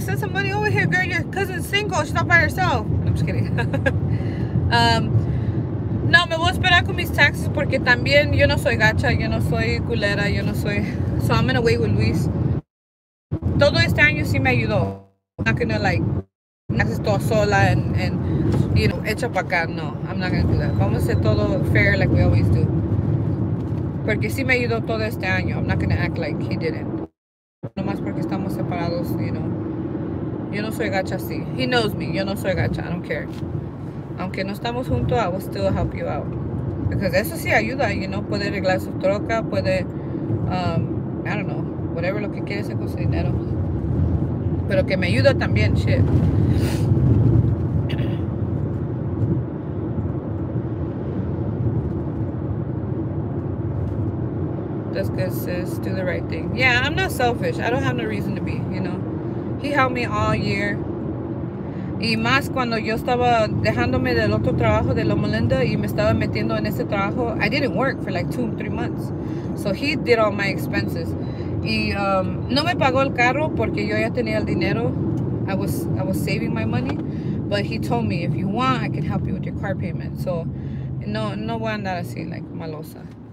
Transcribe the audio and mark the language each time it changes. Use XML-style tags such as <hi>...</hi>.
<en>Send some money over here, girl. Your cousin's single. She's not by herself. I'm just kidding.</en> <es>No, me voy a esperar con mis taxes porque también yo no soy gacha, yo no soy culera, yo no soy.</es> <en>So I'm gonna wait with Luis.</en> <es>Todo este año sí me ayudó.</es> <en>I'm not gonna like.</en> <es>Haces todo sola and hecha para acá.</es> <en>No, I'm not gonna do that.</en> <es>Vamos a hacer todo fair</es> <en>like we always do.</en> <es>Porque sí me ayudó todo este año.</es> <en>I'm not gonna act like he didn't.</en> <es>Nomás porque estamos separados, Yo no soy gacha así.</es> <en>He knows me.</en> <es>Yo no soy gacha.</es> <en>I don't care.</en> <es>Aunque no estamos juntos,</es> <en>I will still help you out. Because</en> <es>eso sí ayuda,</es> <en>you know.</en> <es>Puede arreglar su troca, puede, I don't know, whatever lo que quiere hacer con su dinero. Pero que me ayuda también, shit.</es> <en>Just cause sis, do the right thing. Yeah, I'm not selfish. I don't have no reason to be, you know. He helped me all year.</en> <es>Y más cuando yo estaba dejándome del otro trabajo de Loma Linda y me estaba metiendo en ese trabajo,</es> <en>I didn't work for like 2-3 months. So he did all my expenses.</en> <es>Y no me pagó el carro porque yo ya tenía el dinero.</es> <en>I was saving my money. But he told me, if you want, I can help you with your car payment.</en> <es>So no voy a andar así, like malosa.</es>